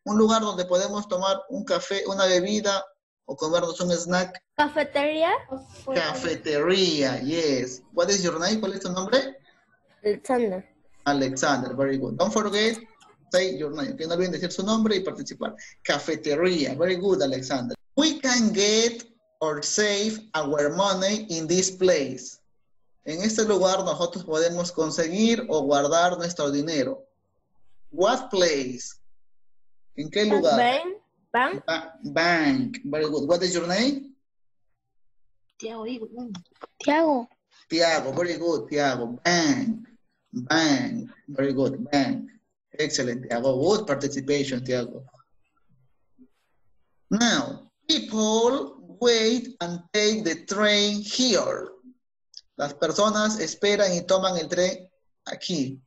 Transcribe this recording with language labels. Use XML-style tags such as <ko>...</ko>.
<es>Un lugar donde podemos tomar un café, una bebida, o comernos un snack. Cafetería.</es> <en>Cafetería, yes. What is your name?</en> <es>¿Cuál es tu nombre?</es> <en>Alexander. Alexander, very good. Don't forget, say your name.</en> <es>Okay, no olviden decir su nombre y participar.</es> <en>Cafetería, very good, Alexander. We can get or save our money in this place.</en> <es>En este lugar nosotros podemos conseguir o guardar nuestro dinero.</es> <en>What place?</en> <es>¿En qué lugar?</es> <en>Bank. Very good. What is your name? Tiago. Tiago. Very good. Tiago. Bank. Very good. Bank. Excellent. Tiago. Good participation, Tiago. Now, people wait and take the train here.</en> <es>Las personas esperan y toman el tren aquí.</es>